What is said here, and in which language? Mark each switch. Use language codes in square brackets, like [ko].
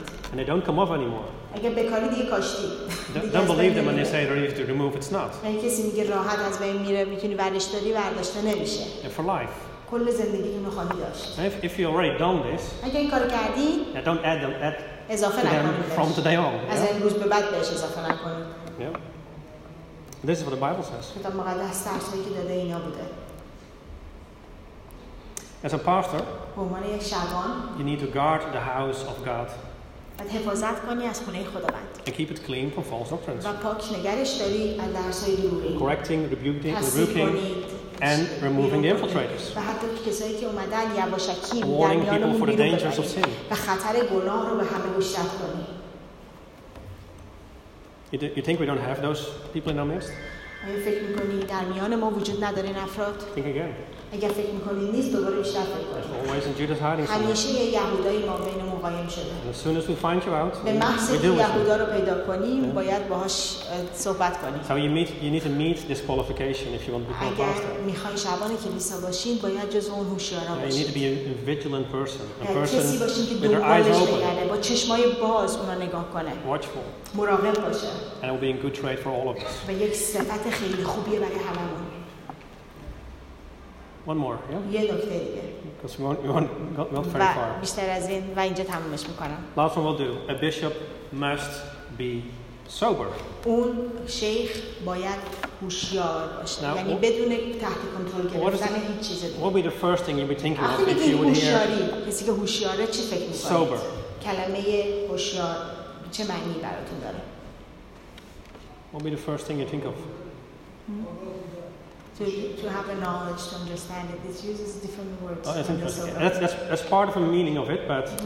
[en] And they don't come off anymore. [fa] اگه بکاری دیگه کاشتی. [en] Don't believe them when they say they're easy to remove. It's not. [fa] اگه کسی میگه راحت از بین میره میتونی ورداش داری ورداشته نمیشه. [en] And for life. [fa] کل زندگیتون رو خواهی داشت. [en] If you already done this. [fa] اگه این کار کردی. [en] Yeah, don't add them. Add [fa] اضافه نکنید. [en] From today on. [fa] از امروز به بعد بهش اضافه نکنید. [en] Yeah. This is what the Bible says. [fa] کتاب مقدس درسی که داده اینا بوده. [en] As a pastor. [fa] به عنوان یک شبان. [en] You need to guard the house of God. [fa] و حفاظت کنی از خونه خداوند. [en] And keep it clean from false doctrines. [fa] و پاک نگرش داری از درسای دروغی. [en] Correcting, rebuking, rebuking, and removing the infiltrators. [fa] و حتی کسایی که اومدن یواشکی در میان [en] Warning people for the dangers of sin. [fa] و خطر گناه رو به همه گوشزد کنی. [en] You think we don't have those people in our midst? [fa] آیا فکر میکنی در میان ما وجود نداره این افراد؟ [en] Think again. [fa] اگر فکر میکنی نیست دوباره بیشتر فکر کنی. [en] Always in Judas hiding. [fa] همیشه یه یهودای ما بین ما قایم شده. [en] And as soon as we find you out, [fa] به محض اینکه یهودا رو پیدا کنیم باید باهاش صحبت کنیم. [en] So you need to meet this qualification if you want to become a pastor. [fa] اگر میخوای شبانه کلیسا باشین باید جز اون هوشیارا باشین. [en] You need to be a vigilant person. A person with their eyes open. [fa] با چشمای باز اونا نگاه کنه. [en] Watchful. [fa] مراقب باشه. [en] And it will be in good trade for all of us. [fa] و یک صفت خیلی خوبیه برای هممون. [en] One more, yeah? Yeah, okay. Because we won't go very far. [fa] بیشتر از این و اینجا تمومش میکنم. [en] Last one we'll do. A bishop must be sober. [fa] اون شیخ باید هوشیار باشه. یعنی بدون تحت کنترل گرفتن هیچ چیز دیگه. [en] What would be the first thing you'd be thinking of if you would hear? [fa] کسی که هوشیاره چی فکر میکنه؟ [en] Sober. [fa] کلمه هوشیار چه معنی براتون داره؟ [en] What would be the first thing you think of? To have a knowledge, to understand it. It uses different words. Oh, that's interesting. Yeah, that's part of the meaning of it, but...